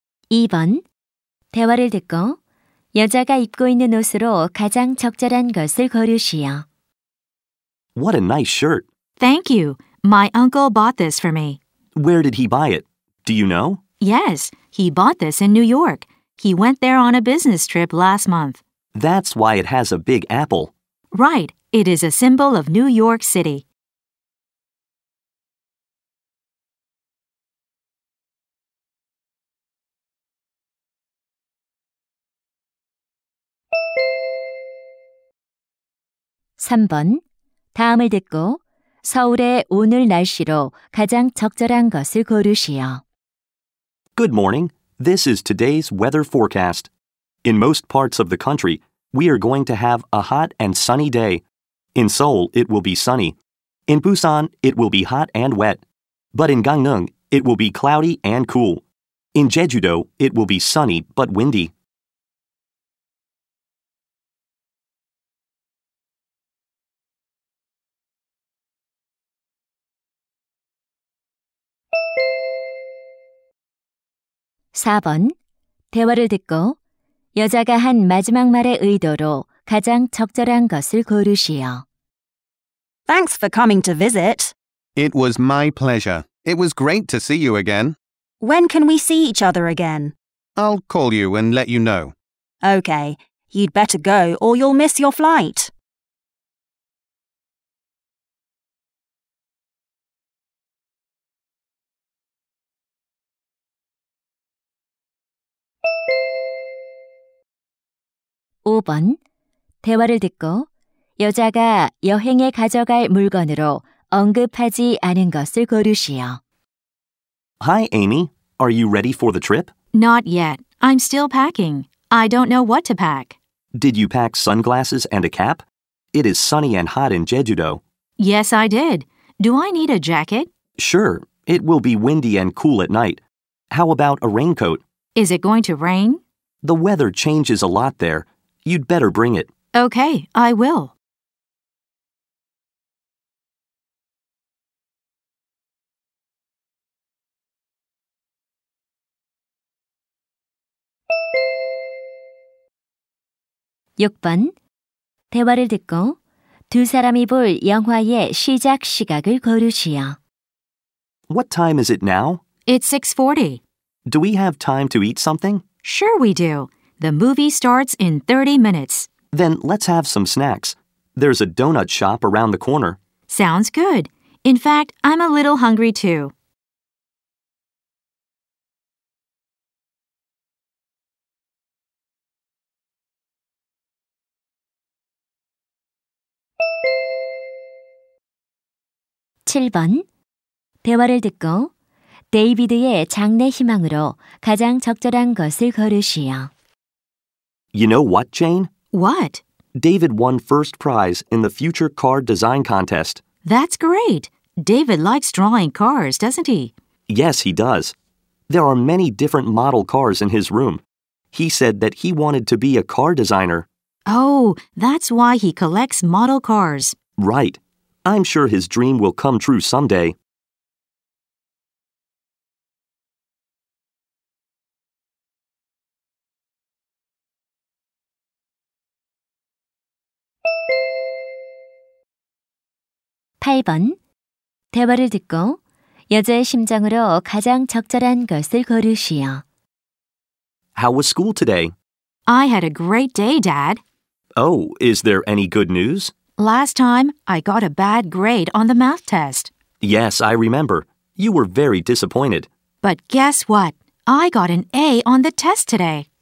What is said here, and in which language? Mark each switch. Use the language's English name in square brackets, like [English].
[Korean] 2번 대화를 듣고 여자가 입고 있는 옷으로 가장 적절한 것을 고르시오. [English] What a nice shirt. Thank you. My uncle bought this for me. Where did he buy it? Do you know? Yes, he bought this in New York. He went there on a business trip last month. That's why it has a big apple. Right, it is a symbol of New York City. [Korean] 3번 다음을 듣고 서울의 오늘 날씨로 가장 적절한 것을 고르시오. [English] Good morning. This is today's weather forecast. In most parts of the country, we are going to have a hot and sunny day. In Seoul, it will be sunny. In Busan, it will be hot and wet. But in Gangneung, it will be cloudy and cool. In Jeju-do, it will be sunny but windy. [Korean] 4번 대화를 듣고 여자가 한 마지막 말의 의도로 가장 적절한 것을 고르시오. [English] Thanks for coming to visit. It was my pleasure. It was great to see you again. When can we see each other again? I'll call you and let you know. Okay. You'd better go or you'll miss your flight. [Korean] 5번 대화를 듣고 여자가 여행에 가져갈 물건으로 언급하지 않은 것을 고르시오. [English] Hi, Amy. Are you ready for the trip? Not yet. I'm still packing. I don't know what to pack. Did you pack sunglasses and a cap? It is sunny and hot in Jeju-do. Yes, I did. Do I need a jacket? Sure. It will be windy and cool at night. How about a raincoat? Is it going to rain? The weather changes a lot there. You'd better bring it. Okay, I will. [Korean] 6번 대화를 듣고 두 사람이 볼 영화의 시작 시각을 고르시오. [English] What time is it now? It's 6:40. Do we have time to eat something? Sure we do. The movie starts in 30 minutes. Then let's have some snacks. There's a donut shop around the corner. Sounds good. In fact, I'm a little hungry too. [Korean] 7번 대화를 듣고 데이비드의 장래 희망으로 가장 적절한 것을 고르시오. [English] You know what, Jane? What? David won first prize in the future car design contest. That's great. David likes drawing cars, doesn't he? Yes, he does. There are many different model cars in his room. He said that he wanted to be a car designer. Oh, that's why he collects model cars. Right. I'm sure his dream will come true someday. [Korean] 8번 대화를 듣고 여자의 심정으로 가장 적절한 것을 고르시오. [English] How was school today? I had a great day, Dad. Oh, is there any good news? Last time, I got a bad grade on the math test. Yes, I remember. You were very disappointed. But guess what? I got an A on the test today.